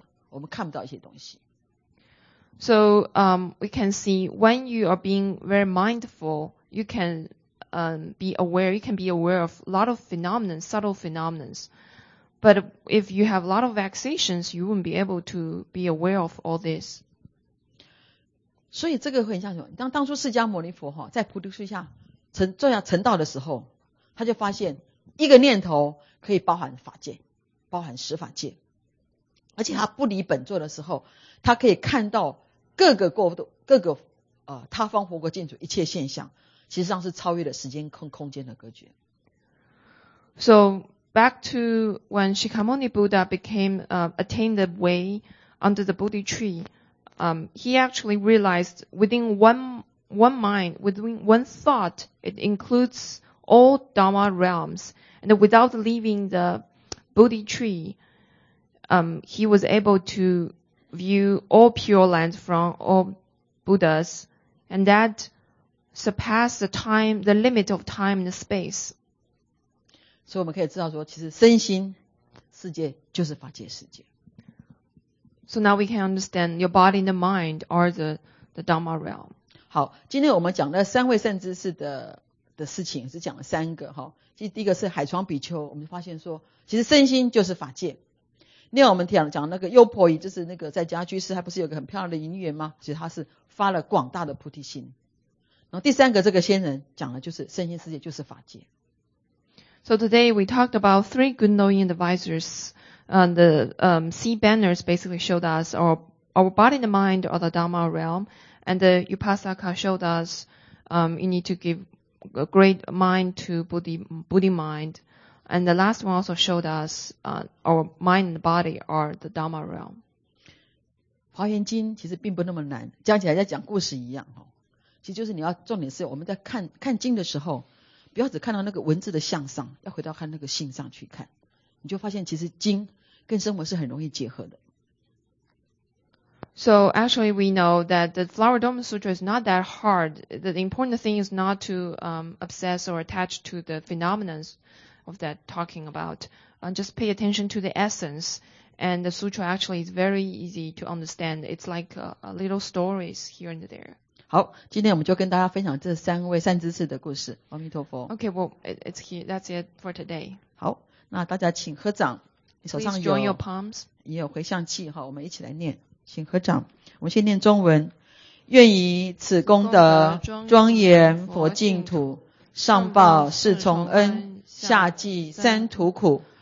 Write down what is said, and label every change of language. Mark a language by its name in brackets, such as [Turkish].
[Chinese] 所以你可以知道说一切的现象其实是应该讲就是说真的你很细腻去看待的时候你可以看到很清楚。那其实上我们妄想很多的，其实我们的心是很粗的，我们看不到一些东西。 [English] So we can see when you are being very mindful, you can be aware, you can be aware of a lot of phenomena, subtle phenomena. But if you have a lot of vexations, you won't be able to be aware of all this. [Chinese] 所以这个很像什么？当初释迦牟尼佛在菩提树下成道的时候，他就发现一个念头可以包含法界。包含十法界。而且他不离本座的时候，他可以看到各个国度、各个他方佛国净土一切现象，其实上是超越了时间空空间的格局。 [English] So back to when Shikamoni Buddha became attained the way under the Bodhi tree, he actually realized within one mind, within one thought, it includes all Dharma realms, and without leaving the Bodhi tree, he was able to view all pure lands from all Buddhas, and that surpassed the time, the limit of time and space. So we can know that actually, [Chinese] 身心世界就是法界世界。 [English] So now we can understand your body and the mind are the Dharma realm. [Chinese] 好，今天我们讲的三位善知识的事情是讲了三个哈。其实第一个是海床比丘，我们发现说，其实身心就是法界。另外我们讲那个优婆夷，就是那个在家居士，他不是有个很漂亮的因缘吗？其实他是发了广大的菩提心。然后第三个这个仙人讲的就是身心世界就是法界。 [English] So today we talked about three good knowing advisors, and the sea banners basically showed us our body and mind are the Dharma realm, and the Upasaka showed us you need to give a great mind to Bodhi mind. And the last one also showed us our mind and body are the Dharma realm. [Chinese] 华严经其实并不那么难，讲起来像讲故事一样，其实就是你要重点是我们在看经的时候，不要只看到那个文字的向上，要回到看那个心上去看，你就发现其实经跟生活是很容易结合的。 [English] So actually we know that the Flower Dome Sutra is not that hard. The important thing is not to obsess or attach to the phenomena of that talking about. Just pay attention to the essence. And the sutra actually is very easy to understand. It's like a little stories here and there. [Chinese] 好，今天我们就跟大家分享这三位善知识的故事。阿弥陀佛。 [English] Okay, well, it's here. That's it for today. [Chinese] 好，那大家请合掌，你手上有 [English] Please join your palms. [Chinese] 也有回向器，我们一起来念。请合掌，我们先念中文。愿以此功德庄严佛净土，上报四重恩，下济三途苦。